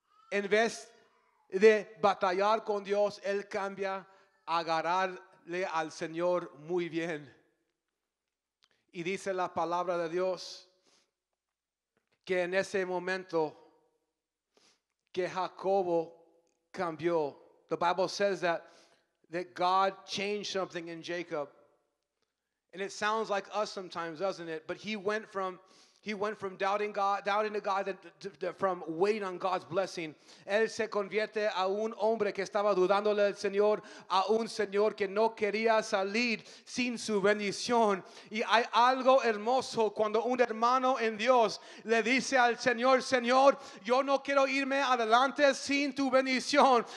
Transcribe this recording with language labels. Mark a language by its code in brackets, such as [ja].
[es] En vez de batallar con Dios, él cambia a agarrarle al Señor muy bien. Y dice la palabra de Dios que en ese momento que Jacobo cambió. [en] The Bible says that God changed something in Jacob. And it sounds like us sometimes, doesn't it? But he went from doubting God, doubting the God, from waiting on God's blessing. [es] Él se convierte a un hombre que estaba dudándole al Señor, a un Señor que no quería salir sin su bendición. Y hay algo hermoso cuando un hermano en Dios le dice al Señor: Señor, yo no quiero irme adelante sin tu bendición.